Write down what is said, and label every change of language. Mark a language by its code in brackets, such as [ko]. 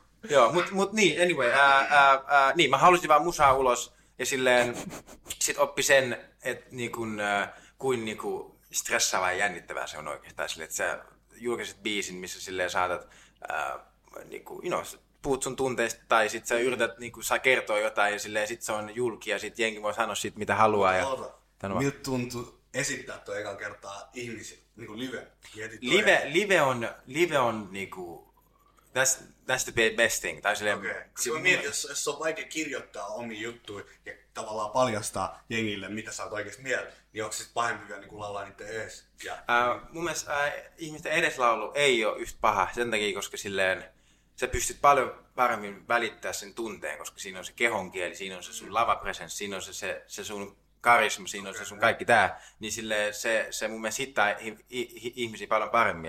[fi] Joo, mut niin, anyway, niin, mä halusin vaan musaa ulos ja silleen sit oppi sen, että niinkun, kuin niinkun stressaavaa ja jännittävää se on oikeastaan silleen, että sä julkaiset biisin, missä silleen saatat, niinkun, [en] you know, [fi] puhut sun tunteista tai sit sä yrität, niinkun, saa kertoa jotain ja silleen sit se on julki ja sit jengi voi sanoa sit mitä haluaa. Ja miltä tuntuu esittää tuo ekan kertaa ihmisille, niinkun live? Live on niinkun, [en] that's the best thing. [fi] Tai silleen, [en] okay. [fi] Koska mä mietin, jos on vaikea kirjoittaa omi juttuja ja tavallaan paljastaa jengille, mitä sä oot oikeasti mieltä, niin onko se sitten pahempi vielä niin laulaa niiden edes? Ja mun mielestä ihmisten edeslaulu ei ole yhtä paha sen takia, koska silleen, sä pystyt paljon paremmin välittämään sen tunteen, koska siinä on se kehonkieli, siinä on se sun lavapresenssi, siinä on se sun karisma, siinä on se sun kaikki tää, niin silleen, se mun mielestä hittää ihmisiä paljon paremmin.